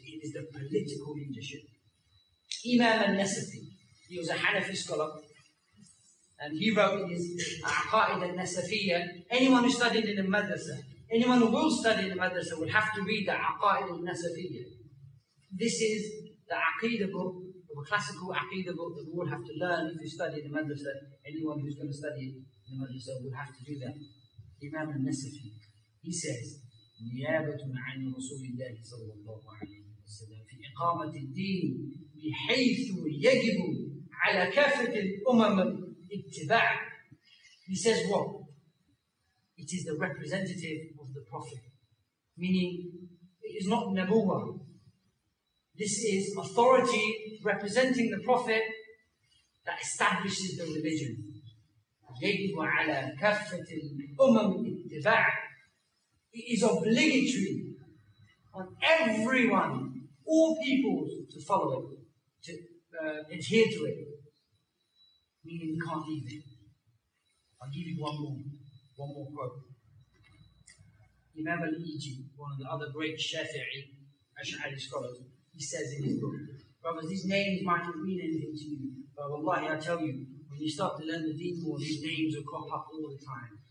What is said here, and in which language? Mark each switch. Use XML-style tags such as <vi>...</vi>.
<en>It is the political leadership. Imam al-Nasafi, he was a Hanafi scholar, and he wrote in his Aqaid al-Nasafiyya, anyone who studied in the madrasa, anyone who will study in the madrasa will have to read the Aqaid al-Nasafiyya. This is the Aqidah book, the classical Aqidah book that we will have to learn if you study in the madrasa. Anyone who's going to study in the madrasa will have to do that.</en> <ar>Imam al-Nasafi,</ar> <en>he says,</en> <ar>نيابة عن رسول الله صلى الله عليه وسلم في إقامة الدين بحيث يجب على كافة الأمم اتباع.</ar> <en>He says what? It is the representative of the Prophet. Meaning, it is not Nabuwa. This is authority representing the Prophet that establishes the religion.</en> <ar>يجب على كافة الأمم اتباع.</ar> <en>It is obligatory on everyone, all peoples, to follow it, to adhere to it. Meaning you can't leave it. I'll give you one more quote. Imam al-Iji, one of the other great Shafi'i, Ash'ari scholars, he says in his book, brothers, these names might not mean anything to you, but wallahi, I tell you, when you start to learn the deen more, these names will crop up all the time.</en>